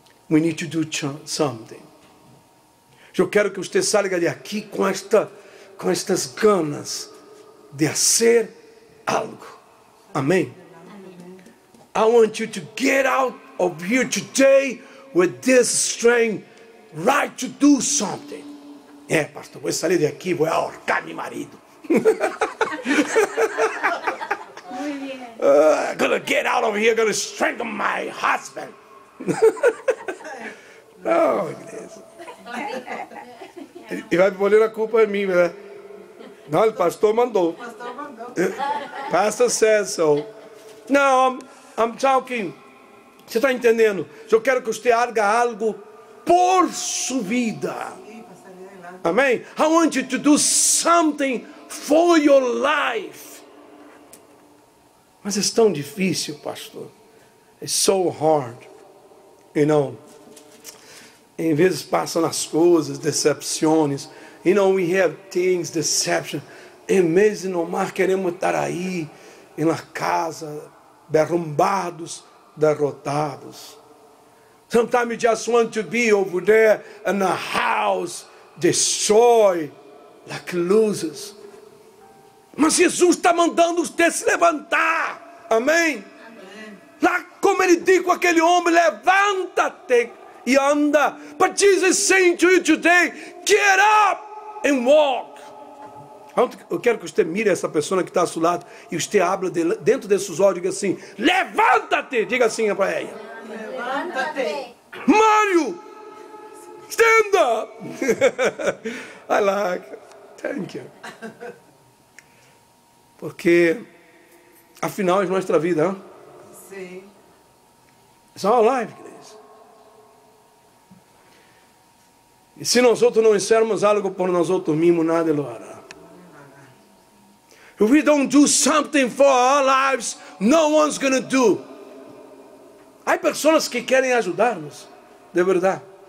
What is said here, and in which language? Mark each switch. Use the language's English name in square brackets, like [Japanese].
[English] We need to do something. [Portuguese] Eu quero que você saia daqui com estas ganas de fazer algo. Amém? [English] I want you to get out of here today with this strength right to do something. [Portuguese] É, pastor, vou sair daqui, vou ahorcar meu marido. [English] I'm going to get out of here, I'm going to strangle my husband. [Portuguese] Não, igreja. E vai pôr a culpa em mim, né? Não, o pastor mandou. [English] Pastor says so. [Portuguese] Não, [English] I'm talking. [Portuguese] Você está entendendo? Eu quero que você arga algo por sua vida. Amém? [English] I want you to do something for your life. [Portuguese] Mas é tão difícil, pastor. [English] It's so hard. You know, [Portuguese] em vezes passam as coisas, decepções. [English] You know, we have things, deception. [Portuguese] Em vez de nomar, queremos estar aí, em la casa, derrumbados, derrotados. [English] Sometimes you just want to be over there in the house, destroy like losers. [Portuguese] Mas Jesus está mandando você se levantar. Amém? Amém. Lá como ele diz com aquele homem, levanta-te e anda. [English] But Jesus saying to you today, get up and walk. [Portuguese] Eu quero que você mire essa pessoa que está ao seu lado e você abra dentro desses olhos e diga assim, levanta-te. Diga assim para ela. Levanta-te. [English] Mário, stand up. I like it. Thank you. [Portuguese] Porque afinal é nossa vida, hein? Sim. [English] It's our life, guys. [Portuguese] E se nós outros não fizermos algo por nós outros mesmos, [Spanish] nada lo hará. [English] If we don't do something for our lives, no one's gonna do. [Portuguese] Há pessoas que querem ajudar-nos, de verdade.